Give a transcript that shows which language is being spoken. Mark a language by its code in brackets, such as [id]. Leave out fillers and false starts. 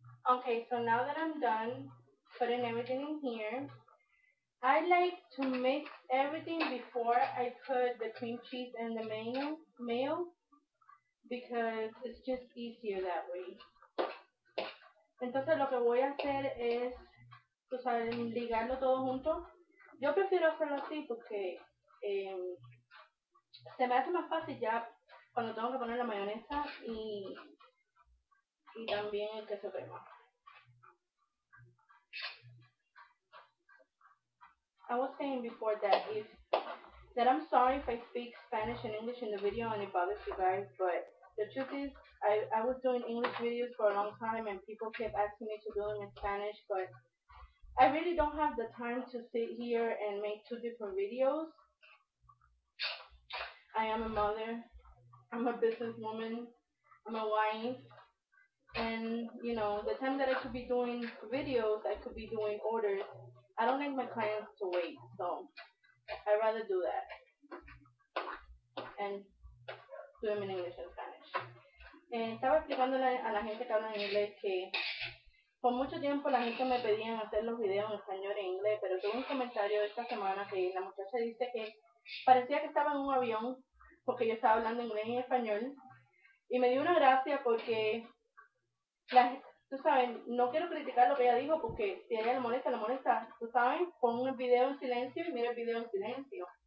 [en] Okay, so now that I'm done putting everything in here, I like to mix everything before I put the cream cheese and the mayo because it's just easier that way. [es] Entonces lo que voy a hacer es, pues, ligarlo todo junto. Yo prefiero hacerlo así porque se me hace más fácil ya cuando tengo que poner la mayonesa y también el queso crema. [en] I was saying before that I'm sorry if I speak Spanish and English in the video and it bothers you guys, but the truth is I was doing English videos for a long time and people kept asking me to do them in Spanish, but I really don't have the time to sit here and make two different videos. I am a mother, I'm a businesswoman, I'm a wife, and you know, the time that I could be doing videos, I could be doing orders. I don't like my clients to wait, so I'd rather do that and do them in English and Spanish. [es] Estaba explicándole a la gente que habla en inglés que por mucho tiempo la gente me pedían hacer los videos en español e inglés, pero tuve un comentario esta semana que la muchacha dice que parecía que estaba en un avión porque yo estaba hablando inglés y español, y me dio una gracia porque la gente, tú sabes, no quiero criticar lo que ella dijo porque si a ella le molesta, tú sabes, pon el video en silencio y mira el video en silencio.